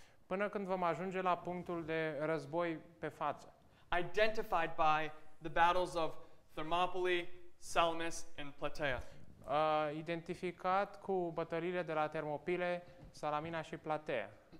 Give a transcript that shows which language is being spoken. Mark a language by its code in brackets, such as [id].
[ro] până când vom ajunge la punctul de război pe față, [en] identified by the battles of Thermopylae, Salamis and Plataea, [ro] identificat cu bătăliile de la Termopile, Salamina și Plataea.